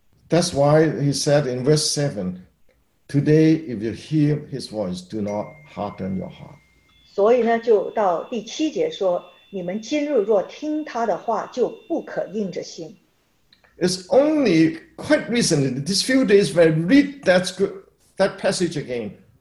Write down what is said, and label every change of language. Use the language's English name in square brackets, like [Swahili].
[English] That's why he said in verse 7, today if you hear his voice, do not harden your heart. [Chinese] 所以呢,就到第七节说, 你们今日若听他的话, [English] It's only quite recently, these few days when I read that passage again,